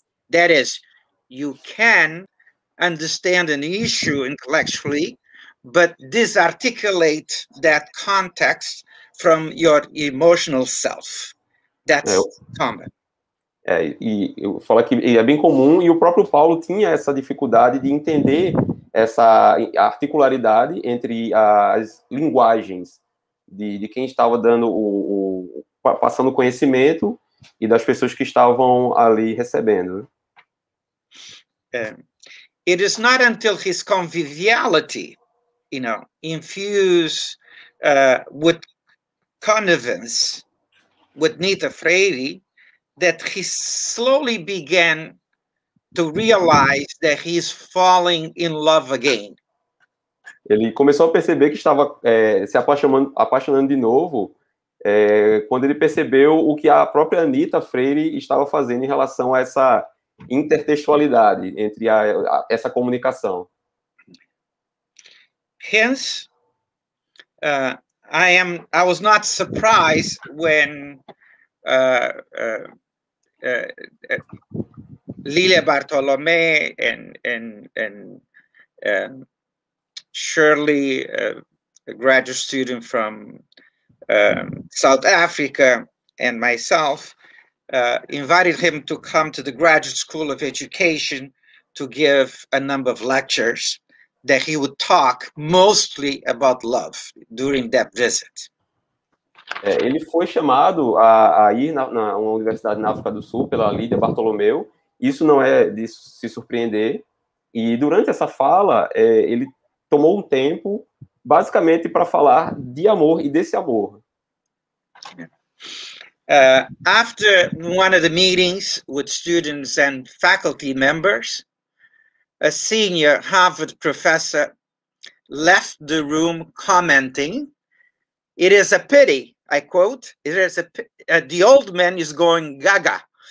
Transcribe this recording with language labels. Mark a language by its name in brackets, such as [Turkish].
[English] That is, you can understand an issue intellectually, but disarticulate that context from your emotional self. That's common. [Portuguese] Eu falo que é bem comum, e o próprio Paulo tinha essa dificuldade de entender essa articularidade entre as linguagens de quem estava dando passando conhecimento e das pessoas que estavam ali recebendo. [English] It is not until his conviviality, you know, infused with connivance with Nita Freire, that he slowly began to realize that he's falling in love again. [Portuguese] Ele começou a perceber que estava se apaixonando de novo quando ele percebeu o que a própria Anita Freire estava fazendo em relação a essa intertextualidade entre essa comunicação. [English] Hence, I was not surprised when Lilia Bartolomé and Shirley, a graduate student from South Africa, and myself invited him to come to the Graduate School of Education to give a number of lectures that he would talk mostly about love during that visit. [Portuguese] Ele foi chamado a ir na uma universidade na África do Sul pela Lídia Bartolomeu. Isso não é de se surpreender. E durante essa fala, ele tomou um tempo basicamente para falar de amor e desse amor. [English] After one of the meetings with students and faculty members, a senior Harvard professor left the room commenting, "It is a pity, I quote, the old man is going gaga.